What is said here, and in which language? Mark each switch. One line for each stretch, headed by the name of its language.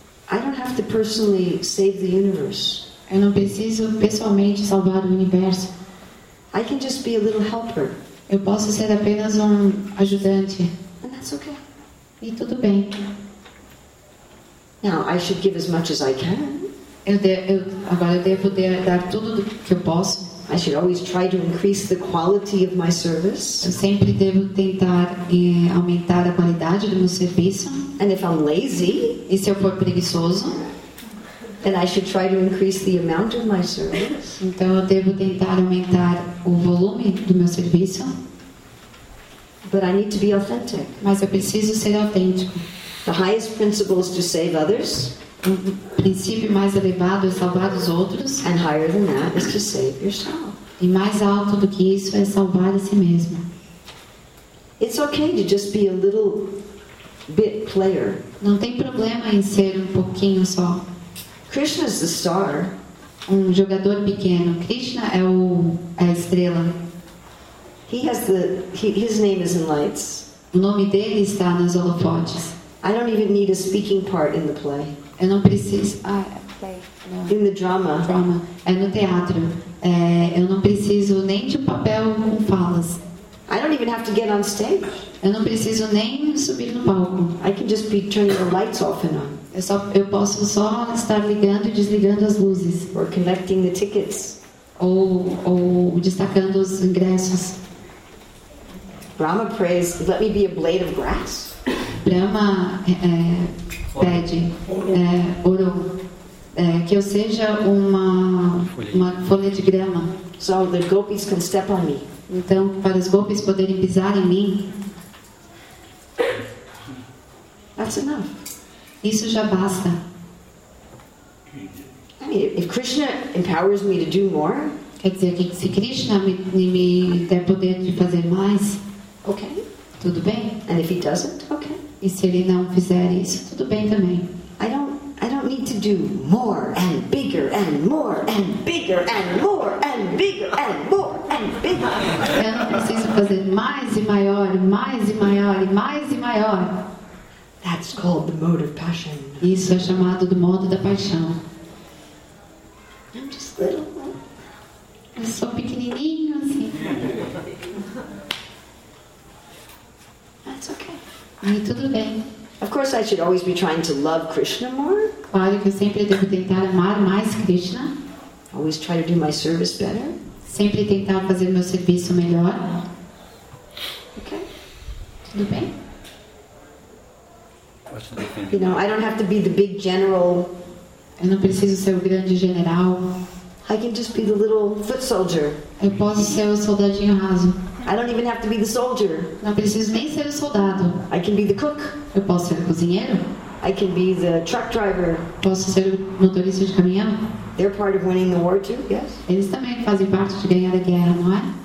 English: I don't have to personally save the universe.
Portuguese: Eu não preciso pessoalmente salvar o universo.
English: I can just be a little helper.
Portuguese: Eu posso ser apenas ajudante.
English: And that's okay.
Portuguese: E tudo bem.
English: Now, I should give as much as I can.
Portuguese: Agora eu devo dar tudo que eu posso.
English: I should always try to increase the quality of my service.
Portuguese: Eu sempre devo tentar aumentar a qualidade do meu serviço.
English: And if I'm lazy,
Portuguese: e se eu for preguiçoso,
English: then I should try to increase the amount of my service.
Portuguese: Então eu devo tentar aumentar o volume do meu serviço.
English: But I need to be authentic.
Portuguese: Mas eu preciso ser autêntico.
English: The highest principle is to save others.
Portuguese: O princípio mais elevado é salvar os outros.
English: And higher than that is to save yourself.
Portuguese: E mais alto do que isso é salvar a si mesmo.
English: It's okay to just be a little bit player.
Portuguese: Não tem problema em ser um pouquinho só.
English: Krishna is the star.
Portuguese: Um jogador pequeno. Krishna é a estrela.
English: His name is in lights.
Portuguese: O nome dele está nos holofotes.
English: I don't even need a speaking part in the play.
Portuguese: Eu não preciso
English: In the drama.
Portuguese: É no teatro. Eu não preciso nem de papel com falas.
English: I don't even have to get on stage.
Portuguese: Eu não preciso nem subir no palco.
English: I can just be turning the lights off and on.
Portuguese: Eu posso só estar ligando e desligando as luzes.
English: Or connecting the tickets.
Portuguese: Ou destacando os ingressos.
English: Brahma prays, let me be a blade of grass.
Portuguese: Brahma pede ouro, que eu seja uma folha de grama.
English: So the gopis can step on me.
Portuguese: Então, para os gopis poderem pisar em mim.
English: That's enough.
Portuguese: Isso já basta.
English: I mean, if Krishna empowers me to do more,
Portuguese: quer dizer que se Krishna me der poder de fazer mais,
English: okay.
Portuguese: Tudo bem.
English: And if he doesn't, okay.
Portuguese: E se ele não fizer isso, tudo bem também.
English: I don't need to do more and bigger and more and bigger and more and bigger and more and bigger.
Portuguese: Eu não preciso fazer mais e maior, mais e maior, mais e maior.
English: That's called the mode of passion.
Portuguese: Isso é chamado do modo da paixão.
English: I'm just little.
Portuguese: Eu sou pequenininho assim.
English: That's okay.
Portuguese: E tudo bem.
English: Of course I should always be trying to love Krishna more.
Portuguese: Claro que eu sempre devo tentar amar mais Krishna.
English: Always try to do my service better.
Portuguese: Sempre tentar fazer meu serviço melhor.
English: Ok.
Portuguese: Tudo bem.
English: You know, I don't have to be the big general.
Portuguese: Eu não preciso ser o grande general.
English: I can just be the little foot soldier.
Portuguese: Eu posso ser o soldadinho raso.
English: I don't even have to be the soldier.
Portuguese: Não preciso nem ser o soldado.
English: I can be the cook.
Portuguese: Eu posso ser o cozinheiro.
English: I can be the truck driver.
Portuguese: Posso ser o motorista de caminhão.
English: They're part of winning the war too, yes?
Portuguese: Eles também fazem parte de ganhar a guerra, não é?